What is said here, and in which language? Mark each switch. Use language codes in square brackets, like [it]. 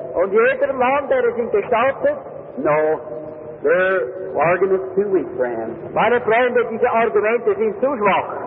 [de] Und jeder Mann, der es ihm gestattet. [en] No. Their argument is too weak, friend. [de] Meine Freunde, diese Argumente sind zu schwach.